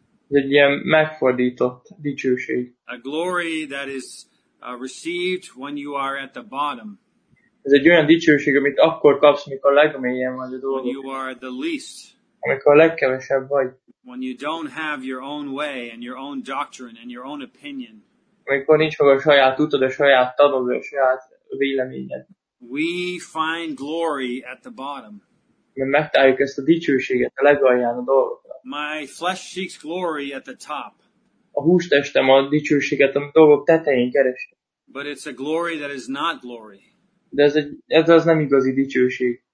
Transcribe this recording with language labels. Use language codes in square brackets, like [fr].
[hu] Egy ilyen megfordított dicsőség. [en] A glory that is received when you are at the bottom. [hu] Ez egy olyan dicsőség, amit akkor kapsz, mikor legmélyen vagy a dolgok. [en] When you are the least. [hu] Amikor a legkevesebb vagy. [en] When you don't have your own way and your own doctrine and your own opinion. [hu] Amikor nincs meg a saját utad, a saját tanod, a saját véleményed. [en] We find glory at the bottom. [hu] Megtaláljuk ezt a dicsőséget a legalján a dolgokra. [en] My flesh seeks glory at the top. [hu] A hústestem a dicsőséget a dolgok tetején keresi. [en] But it's a glory that is not glory. [hu] De ez az nem igazi dicsőség.